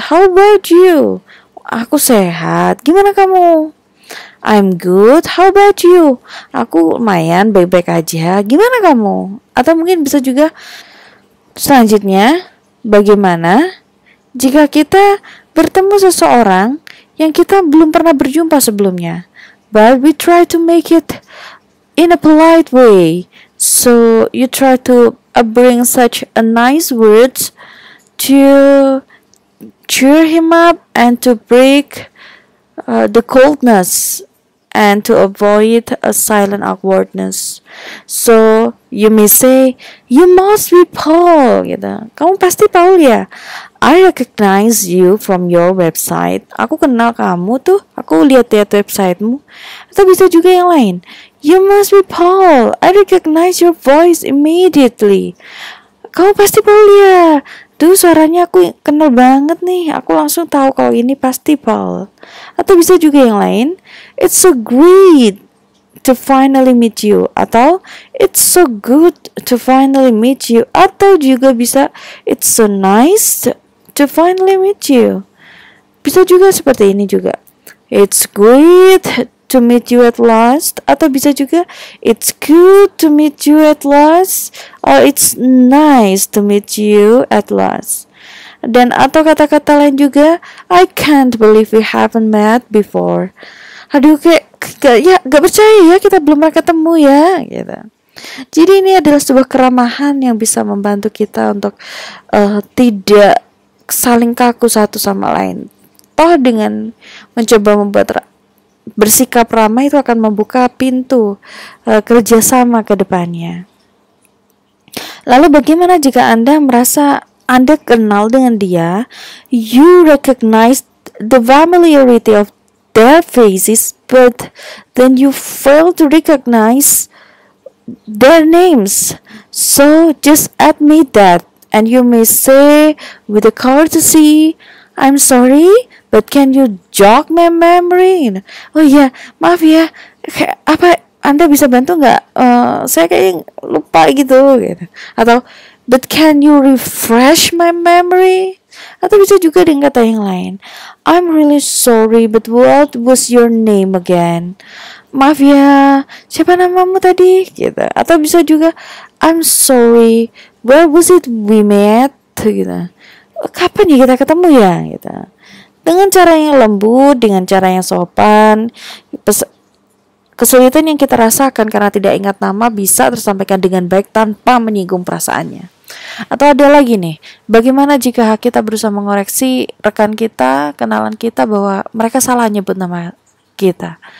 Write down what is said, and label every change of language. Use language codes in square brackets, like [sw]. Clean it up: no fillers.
[en] How about you? [id] Aku sehat. Gimana kamu? [en] I'm good. How about you? [id] Aku lumayan, baik-baik aja. Gimana kamu? Atau mungkin bisa juga selanjutnya, bagaimana jika kita bertemu seseorang yang kita belum pernah berjumpa sebelumnya? [en] But we try to make it in a polite way. So you try to bring such a nice words to cheer him up and to break the coldness and to avoid a silent awkwardness. So you may say, you must be Paul, gitu. [id] Kamu pasti Paul ya. [en] I recognize you from your website. [id] Aku kenal kamu tuh, aku lihat websitemu. Atau bisa juga yang lain, [en] you must be Paul, I recognize your voice immediately. [id] Kamu pasti Paul ya. Tuh suaranya aku kenal banget nih. Aku langsung tahu kalau ini pasti Paul. Atau bisa juga yang lain. [en] It's so great to finally meet you. Atau it's so good to finally meet you. [id] Atau juga bisa [en] it's so nice to finally meet you. [id] Bisa juga seperti ini juga. [en] It's great to meet you at last. [id] Atau bisa juga [en] it's good to meet you at last. Oh, it's nice to meet you at last. [id] Dan atau kata-kata lain juga, [en] I can't believe we haven't met before. [id] Aduh, gak percaya ya kita belum pernah ketemu ya. Gitu. Jadi ini adalah sebuah keramahan yang bisa membantu kita untuk tidak saling kaku satu sama lain. Toh dengan mencoba membuat bersikap ramah itu akan membuka pintu kerjasama ke depannya. Lalu bagaimana jika Anda merasa Anda kenal dengan dia, [en] you recognize the familiarity of their faces, but then you fail to recognize their names. So just admit that, and you may say with a courtesy, I'm sorry, but can you jog my memory? Oh yeah, [id] maaf ya, apa Anda bisa bantu nggak? Saya kayak lupa gitu. Atau, [en] but can you refresh my memory? [id] Atau bisa juga dengan kata yang lain. [en] I'm really sorry, but what was your name again? [id] Maaf ya, siapa namamu tadi? Gitu. Atau bisa juga, [en] I'm sorry, where was it we met? [id] Gitu. Kapan ya kita ketemu ya? Gitu. Dengan cara yang lembut, dengan cara yang sopan, kesulitan yang kita rasakan karena tidak ingat nama bisa tersampaikan dengan baik tanpa menyinggung perasaannya. Atau ada lagi nih, bagaimana jika kita berusaha mengoreksi rekan kita, kenalan kita bahwa mereka salah nyebut nama kita.